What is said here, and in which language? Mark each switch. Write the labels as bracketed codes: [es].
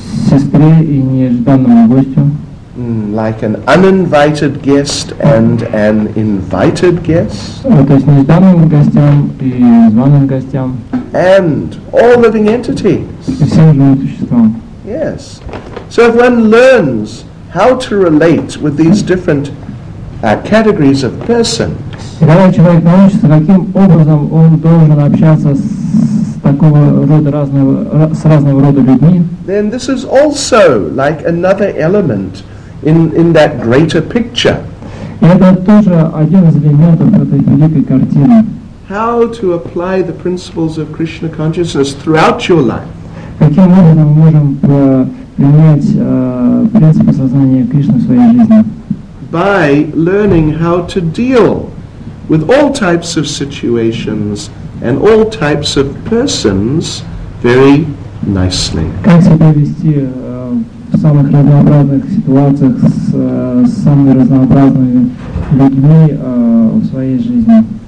[ru] Сестре и нежданному гостю. [en] Like an uninvited guest and an invited guest. [ru] То есть нежданным гостям и званым гостям. [en] And all living entities. [ru] И всем живым существам. [en] Yes. So if one learns how to relate with these different categories of person. [ru] Когда человек научится, каким образом он должен общаться с разного рода людьми. [en] Then this is also like another element in that greater picture. [ru] Это тоже один из элементов этой великой картины. [en] How to apply the principles of Krishna consciousness throughout your life. [ru] Каким образом мы можем применять принципы сознания Кришны в своей жизни? [en] By learning how to deal with all types of situations and all types of persons very nicely. [ru] Как себя вести в самых разнообразных ситуациях с самыми разнообразными людьми в своей жизни.